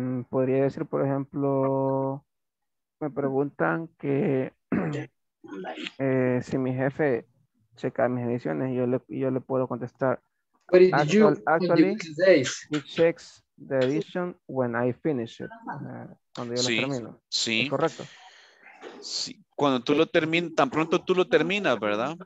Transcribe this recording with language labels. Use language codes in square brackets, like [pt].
[es] Podría decir, por ejemplo, me preguntan que si mi jefe checa mis ediciones, yo le puedo contestar. [en] Actually, he checks the edition when I finish it. [es] Cuando yo sí, lo termino. Sí. ¿Es correcto? Sí. Cuando tú lo terminas, tan pronto tú lo terminas, ¿verdad?